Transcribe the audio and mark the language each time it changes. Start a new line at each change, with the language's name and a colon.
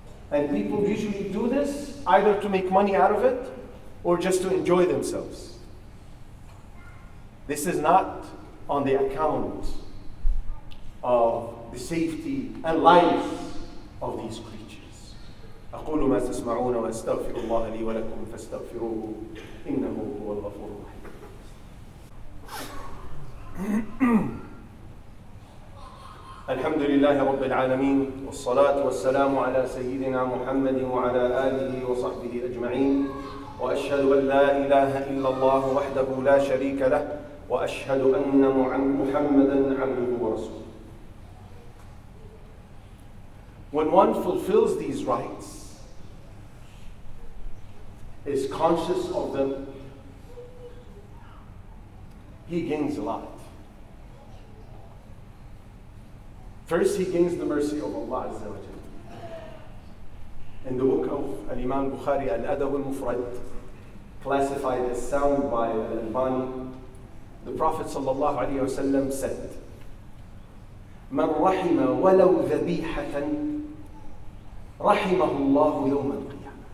English: And people usually do this either to make money out of it or just to enjoy themselves. This is not on the account of the safety and life of these creatures.
Arabic: أقول ما تسمعون وأستغفر الله لي ولكم فاستغفروه إنه هو الغفور الرحيم. الحمد لله رب العالمين والصلاة والسلام على سيدنا محمد وعلى آله وصحبه أجمعين وأشهد أن لا إله إلا الله وحده لا شريك له وأشهد أن محمداً عبده ورسوله.
English: When one fulfills these rights, is conscious of them, he gains a lot. First, he gains the mercy of Allah Azza wa Jalla. In the book of Al-Imam Bukhari, Al-Adab Al-Mufrad, classified as sound by Al-Albani, the Prophet sallallahu alayhi wa sallam said,
Arabic: مَنْ رَحِمَ وَلَوْ ذَبِيحَةً رَحِمَهُ اللَّهُ يَوْمَ الْقِيَامَةِ.